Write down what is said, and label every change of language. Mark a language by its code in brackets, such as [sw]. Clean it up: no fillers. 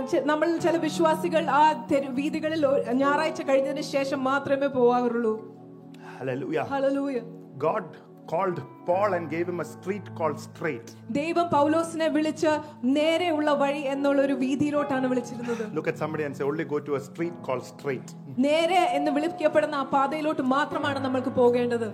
[ml] നമ്മൾ ചില വിശ്വാസികൾ ആ വീഥികളിൽ ഞായറാഴ്ച കഴിഞ്ഞതിന് ശേഷം മാത്രമേ പോവാറുള്ളൂ. [en] Hallelujah. Hallelujah. God called Paul and gave him a street called straight. [ml] ദൈവം പൗലോസിനെ വിളിച്ച് നേരെയുള്ള വഴി എന്നുള്ള ഒരു വീഥിയിലോട്ടാണ് വിളിച്ചിരുന്നത്. [en] Look at somebody and say, only go to a street called straight. [ml] നേരെ എന്ന് വിളിക്കപ്പെടുന്ന ആ പാതയിലോട്ട് മാത്രമാണ് നമ്മൾക്ക് പോകേണ്ടത്.